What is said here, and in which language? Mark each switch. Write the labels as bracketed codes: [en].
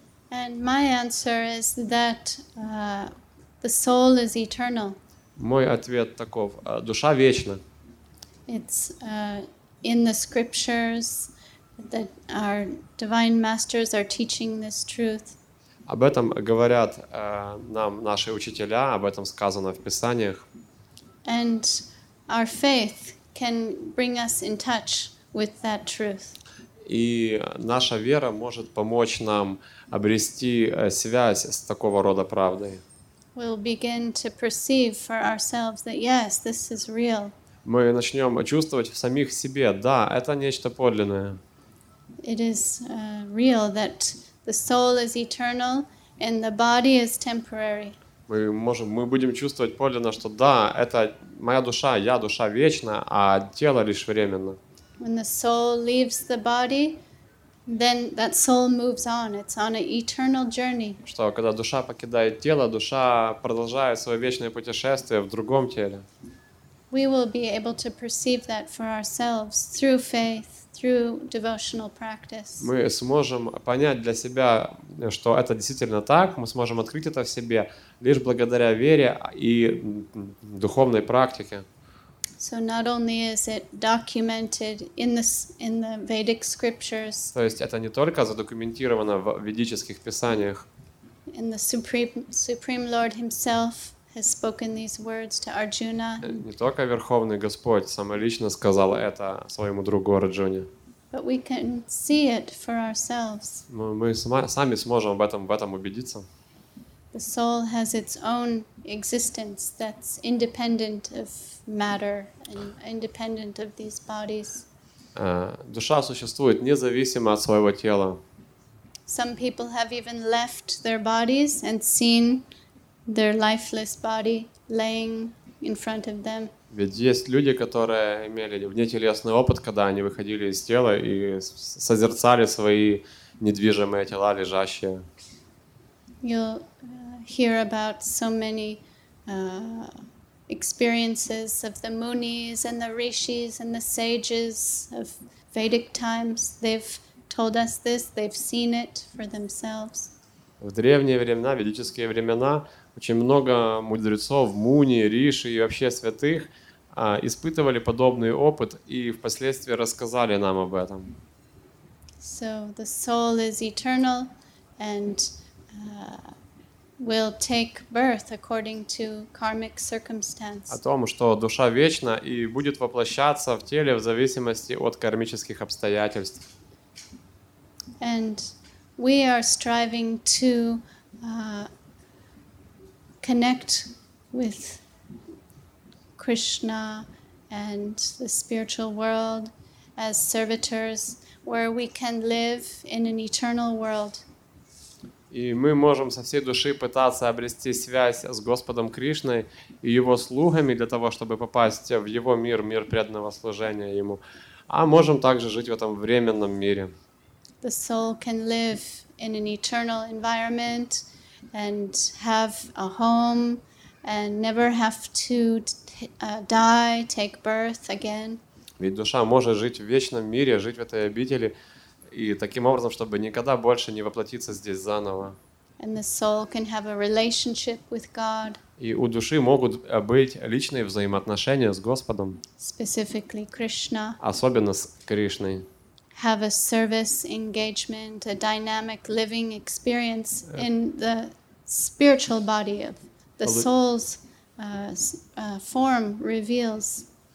[en] And my answer is that the soul is eternal. [ru] Мой ответ таков. Душа вечна. [en] It's in the scriptures that our divine masters are teaching this truth. [ru] Об этом говорят нам наши учителя, об этом сказано в писаниях. [en] And our faith can bring us in touch with that truth. [ru] И наша вера может помочь нам обрести связь с такого рода правдой. [en] We'll begin to perceive for ourselves that yes, this is real. [ru] Мы начнем чувствовать в самих себе, да, это нечто подлинное. [en] It is real that the soul is eternal and the body is temporary. [ru] Мы будем чувствовать подлинно, что да, это моя душа, я душа вечна, а тело лишь временно. [en] When the soul leaves the body, then that soul moves on. It's on an eternal journey. [ru] Что, когда душа покидает тело, душа продолжает свое вечное путешествие в другом теле. [en] We will be able to perceive that for ourselves through faith, through devotional practice. [ru] Мы сможем понять для себя, что это действительно так. Мы сможем открыть это в себе лишь благодаря вере и духовной практике. [en] So not only is it documented in the Vedic scriptures. [ru] То есть это не только задокументировано в ведических писаниях. [en] And the supreme Lord himself has spoken these words to Arjuna. [ru] Не только Верховный Господь самолично сказал это своему другу Арджуне. [en] But we can see it for ourselves. [ru] Мы сами сможем в этом убедиться. [en] The soul has its own existence that's independent of matter and independent of these bodies. [ru] Душа существует независимо от своего тела. [en] Some people have even left their bodies and seen their lifeless body laying in front of them. [ru] Ведь есть люди, которые имели внетелесный опыт, когда они выходили из тела и созерцали свои недвижимые тела, лежащие. [en] Hear about so many experiences of the Munis and the Rishis and the sages of Vedic times. They've told us this, they've seen it for themselves. [ru] В древние времена, ведические времена, очень много мудрецов, муни, риши и вообще святых испытывали подобный опыт и впоследствии рассказали нам об этом. [en] So the soul is eternal and will take birth according to karmic circumstance. [ru] О том, что душа вечна и будет воплощаться в теле в зависимости от кармических обстоятельств. [en] And we are striving to connect with Krishna and the spiritual world as servitors, where we can live in an eternal world. [ru] И мы можем со всей души пытаться обрести связь с Господом Кришной и Его слугами для того, чтобы попасть в Его мир, мир преданного служения Ему. А можем также жить в этом временном мире. [en] The soul can live in an eternal environment and have a home and never have to die, take birth again. [ru] Ведь душа может жить в вечном мире, жить в этой обители, и таким образом, чтобы никогда больше не воплотиться здесь заново. [en] And the soul can have a relationship with God. [ru] И у души могут быть личные взаимоотношения с Господом. [en] Specifically Krishna. [ru] Особенно с Кришной. [en] Have a service engagement, a dynamic living experience in the spiritual body of the soul's form reveals.